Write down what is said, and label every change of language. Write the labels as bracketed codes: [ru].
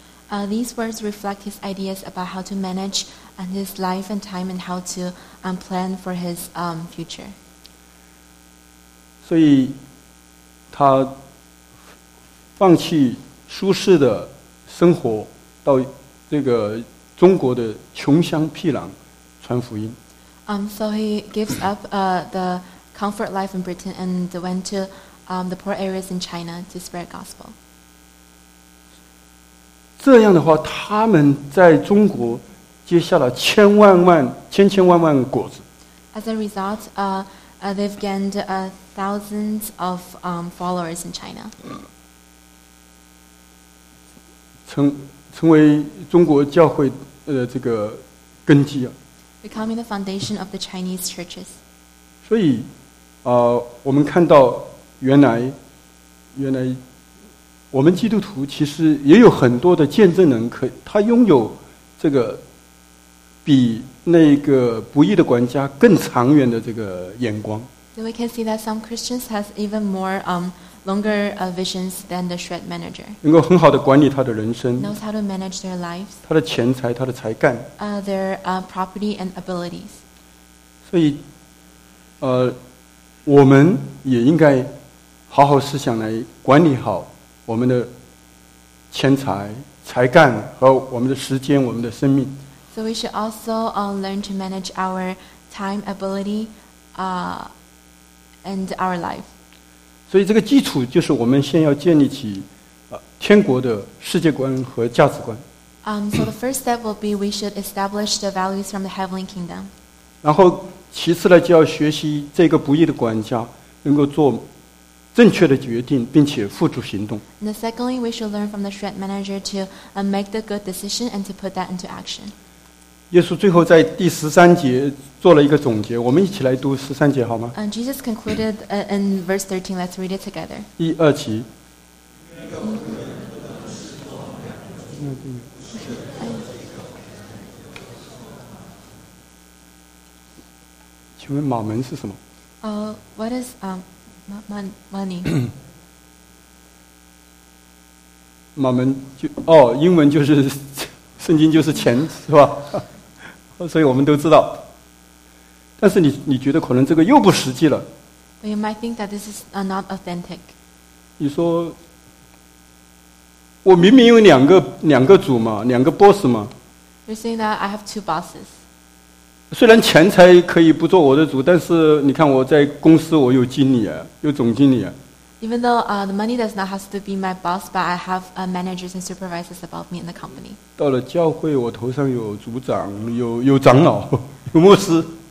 [en] These words reflect his ideas about how to manage and his life and time and how to plan for his future. [zh] 所以他放弃舒适的生活，到这个中国的穷乡僻壤传福音。 [en] So he gives up the comfort life in Britain and went to the poor areas in China to spread gospel. [zh] 这样的话，他们在中国结下了千千万万果子。 [en] As a result, they've gained thousands of followers in China. [zh] 成为中国教会这个根基啊。 [en] Becoming the foundation of the Chinese churches. [zh] 所以，我们看到原来我们基督徒其实也有很多的见证人，他拥有这个比那个不义的管家更长远的这个眼光。 [en] So we can see that some Christians has even more longer visions than the shred manager. [zh] 能够很好的管理他的人生。 [en] Knows how to manage their lives. [zh] 他的钱财，他的才干。 [en] Their property and abilities. [zh] 所以，我们也应该好好思想来管理好我们的钱财、才干和我们的时间、我们的生命。 [en] So we should also learn to manage our time, ability, and our life. [zh] 所以这个基础就是我们先要建立起天国的世界观和价值观。 [en] So the first step will be we should establish the values from the heavenly kingdom. [zh] 然后其次呢，就要学习这个不义的管家能够做正确的决定，并且付诸行动。 [en] And secondly, we should learn from the shred manager to make the good decision and to put that into action. [zh] 耶稣最后在第十三节做了一个总结，我们一起来读十三节好吗？ [en] Jesus concluded in verse 13. Let's read it together. [zh] 一二七。请问马门是什么？ [en] What is money? [zh] 马门就英文就是圣经就是钱是吧？所以我们都知道，但是你觉得可能这个又不实际了。 [en] But you might think that this is not authentic. [zh] 你说，我明明有两个主嘛，两个 boss 嘛。 [en] You're saying that I have two bosses. [zh] 虽然钱财可以不做我的主，但是你看我在公司我有经理啊，有总经理啊。 [en] Even though the money does not have to be my boss, but I have managers and supervisors above me in the company. [zh] 到了教会，我头上有组长，有长老，有牧师。